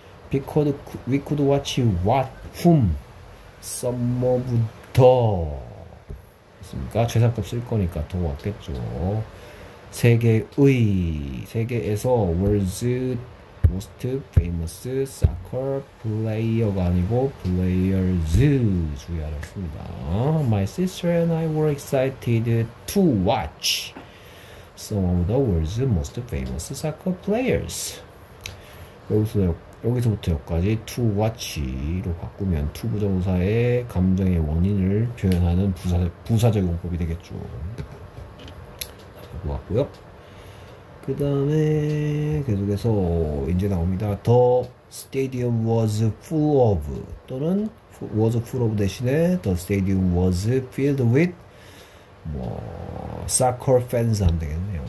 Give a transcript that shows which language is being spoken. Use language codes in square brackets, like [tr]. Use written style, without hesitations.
[en] Because we could watch what whom some of the [ko] 있습니까? 최상급 쓸 거니까 더 왔겠죠. 세계에서 [en] world's most famous soccer player가 [ko] 아니고 players 주의하셨습니다. [en] My sister and I were excited to watch some of the world's most famous soccer players. [ko] 여기서부터 여기까지 to watch로 바꾸면 to 부정사의 감정의 원인을 표현하는 부사적 용법이 되겠죠. 그거 같고요. 그 다음에 계속해서 이제 나옵니다. [en] The stadium was full of [ko] 또는 [en] was full of [ko] 대신에 [en] The stadium was filled with [ko] 뭐 [en] soccer fans [ko] 하면 되겠네요.